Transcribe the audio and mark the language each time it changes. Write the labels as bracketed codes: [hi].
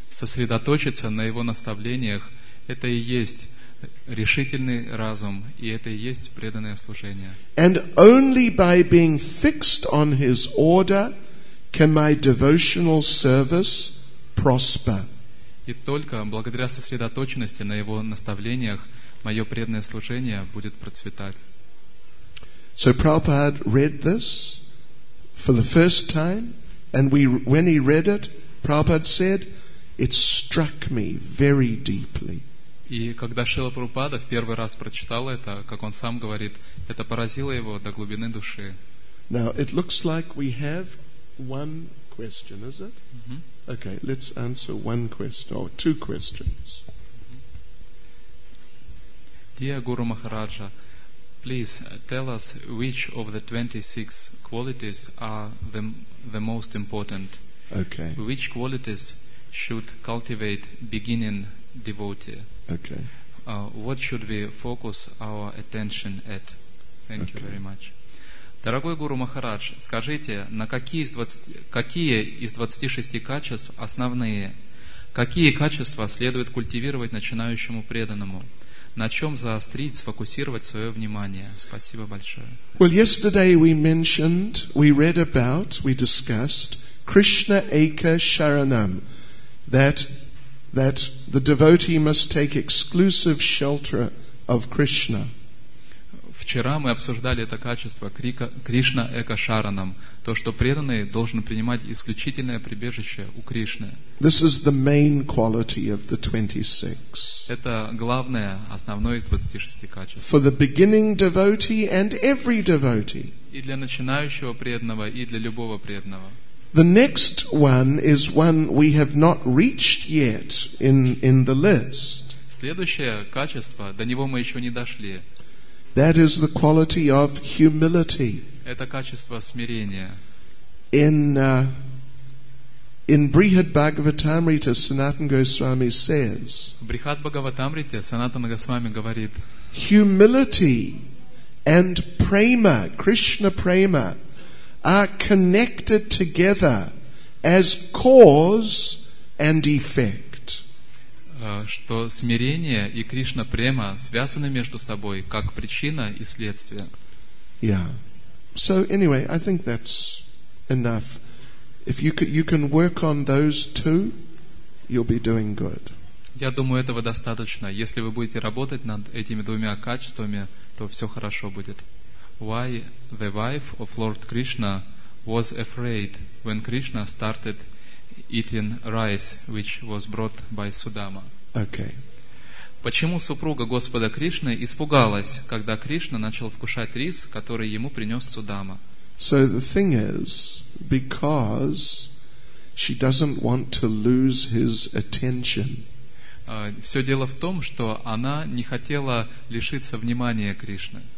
[ru] Сосредоточиться на его наставлениях – это и есть решительный разум, и это и есть преданное служение. [en] And only by being fixed on his order can my devotional service prosper. [ru] И только благодаря сосредоточенности на его наставлениях мое преданное служение будет процветать. [en] So Prabhupada read this for the first time, and when he read it, Prabhupada said, it struck me very deeply. [ru] И когда Шрила Прабхупада в первый раз прочитал это, как он сам говорит, это поразило его до глубины души. [en] Now it looks like we have one question, is it? Mm-hmm. Okay, let's answer one question or two questions. Dear Guru Maharaja, please tell us which of the 26 qualities are the most important. Okay. Which qualities should cultivate beginning devotee? Okay. What should we focus our attention at? Thank you very much. [ru] Дорогой Гуру Махарадж, скажите, на какие из 26 качеств основные? Какие качества следует культивировать начинающему преданному? На чем заострить, сфокусировать свое внимание? Спасибо большое. [en] Well, yesterday we mentioned, we read about, we discussed Krishna Eka Sharanam, that the devotee must take exclusive shelter of Krishna. [ru] Вчера мы обсуждали это качество Кришна Эка Шаранам, то, что преданный должен принимать исключительное прибежище у Кришны. [en] This is the main quality of the 26. [ru] Это главное, основное из 26 качеств. [en] For the beginning devotee and every devotee. [ru] И для начинающего преданного, и для любого преданного. [en] The next one is one we have not reached yet in the list. [ru] Следующее качество, до него мы еще не дошли. [en] That is the quality of humility. [ru] Это качество смирения. [en] In Brihad Bhagavatamrita, Sanatana Goswami says. [ru] Брихат Бхагаватамрите Санатана Госвами говорит. [en] Humility and prema, Krishna prema, are connected together as cause and effect. [ru] Что смирение и Кришна према связаны между собой как причина и следствие. [en] Yeah. So anyway, I think that's enough. If you can work on those two, you'll be doing good. [ru] Я думаю, этого достаточно. Если вы будете работать над этими двумя качествами, то все хорошо будет. [en] Why the wife of Lord Krishna was afraid when Krishna started eating rice, which was brought by Sudama. Okay. [ru] Почему супруга Господа Кришны испугалась, когда Кришна начал вкушать рис, который ему принес Судама? [en] So the thing is, because she doesn't want to lose his attention. [ru] Все дело в том, что она не хотела лишиться внимания Кришны.